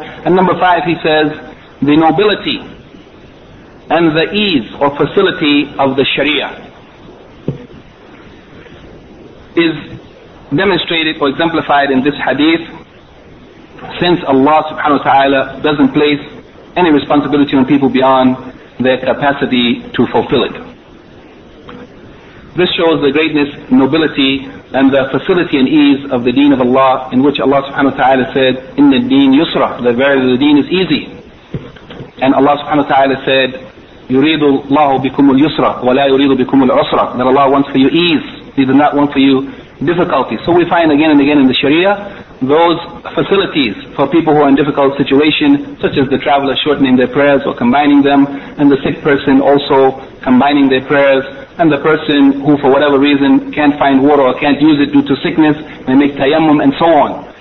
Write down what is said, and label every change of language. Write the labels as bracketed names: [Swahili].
[English] And number five, he says, the nobility and the ease or facility of the Sharia is demonstrated or exemplified in this hadith, since Allah subhanahu wa ta'ala doesn't place any responsibility on people beyond their capacity to fulfill it. This shows the greatness, nobility, and the facility and ease of the deen of Allah, in which Allah subhanahu wa ta'ala said, [Arabic] إِنَّ الدِّينَ يُسْرَى, [English] that verily the deen is easy. And Allah subhanahu wa ta'ala said, [Arabic] يريد الله بكم اليسرى ولا يريد بكم العسرى. [English] That Allah wants for you ease, He does not want for you difficulty. So we find again and again in the Sharia those facilities for people who are in difficult situation, such as the traveler shortening their prayers or combining them, and the sick person also combining their prayers, and the person who for whatever reason can't find water or can't use it due to sickness, they make tayammum and so on.